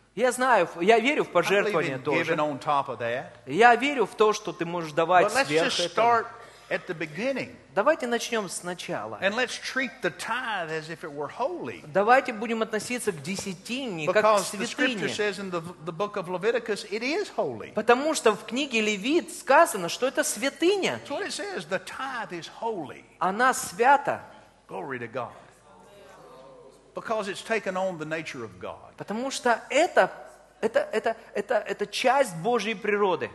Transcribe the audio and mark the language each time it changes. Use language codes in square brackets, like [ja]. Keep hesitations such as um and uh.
[ru] Я знаю, я верю в пожертвования тоже. Я верю в то, что ты можешь давать сверх этого [en] at the beginning. [ru] Давайте начнем сначала. [en] And let's treat the tithe as if it were holy. [ru] Давайте будем относиться к десятине как к святыне. [en] Because the scripture says in the, the book of Leviticus it is holy. [ru] Потому что в книге Левит сказано, что это святыня. [en] So what it says, the tithe is holy. [ru] Она свята. [en] Glory to God. Because it's taken on the nature of God. [ru] Потому что это это, это, это, это часть Божьей природы.